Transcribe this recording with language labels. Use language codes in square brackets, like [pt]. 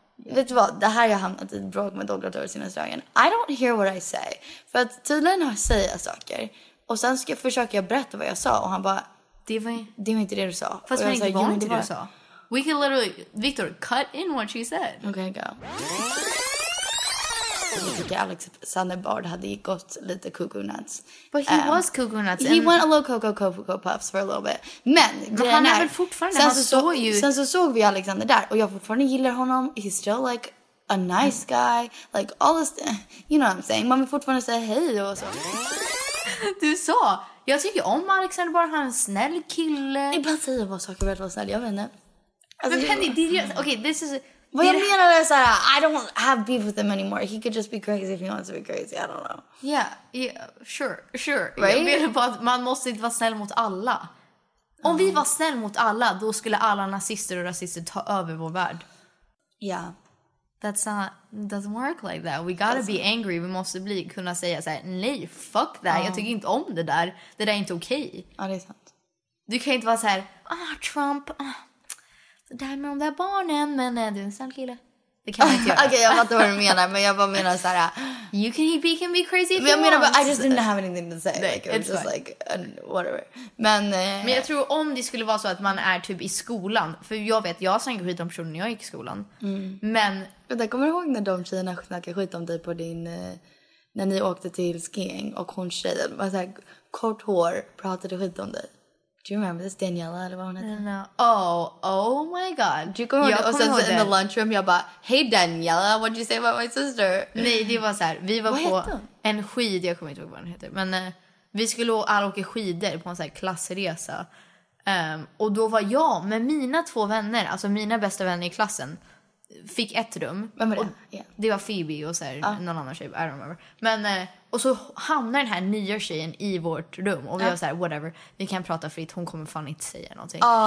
[sv] Vet du vad, det här jag hamnat i ett bråk med Douglas över senaste dagen. [en] I don't hear what I say. [sv] För att tydligen har jag säga saker. Och sen ska jag försöka berätta vad jag sa. Och han bara... Det var inte det du sa. Fast det var inte det du sa. [en] We can literally, Victor, cut in what she said. Okay, go. [sv] Jag tycker Alexander Bard hade gått lite cuckoo nuts. [en] But he was cuckoo nuts. He went a little cuckoo puffs for a little bit. Men [sv] han är väl fortfarande, han såg ju... Sen så såg vi Alexander där, och jag fortfarande gillar honom. [en] He's still like a nice guy. Like all this, you know what I'm saying. [sv] Man vill fortfarande säga hej och så. Du sa... Jag tycker om Alexander Bard, han är en snäll kille. Ibland säger jag bara saker väldigt snäll, jag vet inte. Alltså, men [en] Penny, did you... Okay, this is... [sv] Vad jag menar är såhär, [en] I don't have beef with him anymore. He could just be crazy if he wants to be crazy, I don't know. Yeah, sure. Right? [sv] Jag menar på att man måste inte vara snäll mot alla. Om vi var snäll mot alla, då skulle alla nazister och rasister ta över vår värld. [en] Yeah. That's not... doesn't work like that. We gotta be angry. [sv] Vi måste bli kunna säga så här, nej, fuck that. Jag tycker inte om det där. Det där är inte okej. Ja, det är sant. Du kan inte vara så här, Trump. Det här med de där barnen, men du är en snäll kille. Det kan man inte göra. Okej, jag fattar vad du menar, men jag bara menar så här, [en] you can be crazy. [sv] Men jag menar, [en] but I just didn't have anything to say. Like, it's just fine. Like whatever. Men [sv] jag tror om det skulle vara så att man är typ i skolan, för jag vet, jag sa inte skit om personen när jag gick i skolan. Men jag kommer ihåg när de tjejerna snackade skit om dig på din... När ni åkte till skiing och hon tjejen var så här, kort hår, pratade skit om dig. [en] Do you remember this, Daniela, [sv] eller vad hon heter? [en] Oh my god. [sv] Du kommer ihåg det? Och sen så [en] in the lunchroom, [sv] jag bara, [en] hey Daniela, what did you say about my sister? [sv] Nej, det var så här, vi var på en skid, jag kommer inte ihåg vad den heter. Men vi skulle alla åka skidor på en så här klassresa. Och då var jag med mina två vänner, alltså mina bästa vänner i klassen, fick ett rum. Vem var det? Det var Phoebe och så här, någon annan tjej, [en] I don't remember. [sv] Men och så hamnar den här nya tjejen i vårt rum och vi var så här, whatever, vi kan prata fritt, hon kommer fan inte säga någonting.